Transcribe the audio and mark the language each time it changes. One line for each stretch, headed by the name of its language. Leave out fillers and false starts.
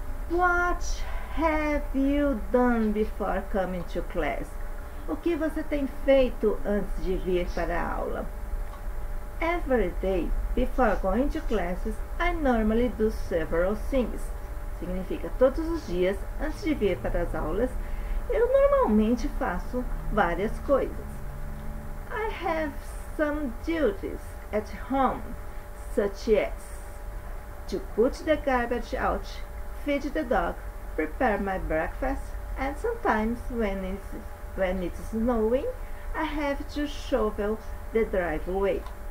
English: What have you done before coming to class?
Portuguese: O que você tem feito antes de vir para a aula?
English: Every day, before going to classes, I normally do several things.
Portuguese: Significa, todos os dias, antes de vir para as aulas, eu normalmente faço várias coisas.
English: I have some duties at home, such as to put the garbage out, feed the dog, prepare my breakfast, and sometimes when it's snowing, I have to shovel the driveway.